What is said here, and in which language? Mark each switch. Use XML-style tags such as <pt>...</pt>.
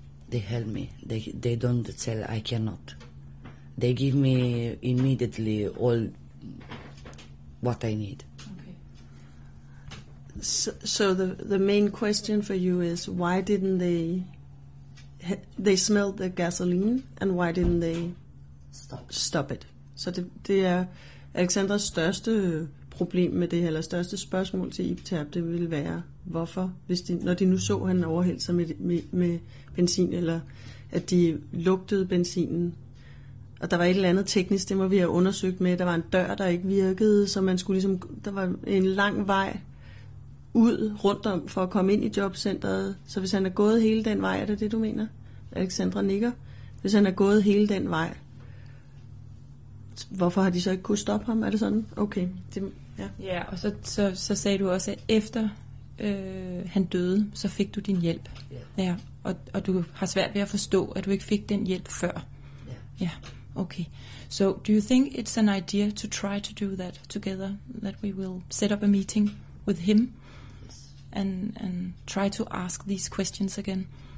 <en>They help me. They don't tell I cannot. They give me immediately all what I need. Okay. So the main question for you is, why didn't they smelled the gasoline, and why didn't they stop it?</en> <da>Så det er Alexandras største problem med det her, eller største spørgsmål til IPTAP, det ville være, hvorfor, når de nu så, han overhældte sig med benzin, eller at de lugtede benzinen, og der var et eller andet teknisk, det må vi have undersøgt med, der var en dør, der ikke virkede, så man skulle ligesom, der var en lang vej ud rundt om for at komme ind i jobcentret, så hvis han er gået hele den vej, er det det, du mener? Alexandra nikker. Hvis han er gået hele den vej, hvorfor har de så ikke kunne stoppe ham? Er det sådan? Okay. Ja, og så sagde du også, at efter han døde, så fik du din hjælp. Ja. Ja. Og du har svært ved at forstå, at du ikke fik den hjælp før. Ja. Ja. Okay.</da> <en>So, do you think it's an idea to try to do that together? That we will set up a meeting with him? Yes. And try to ask these questions again?</en>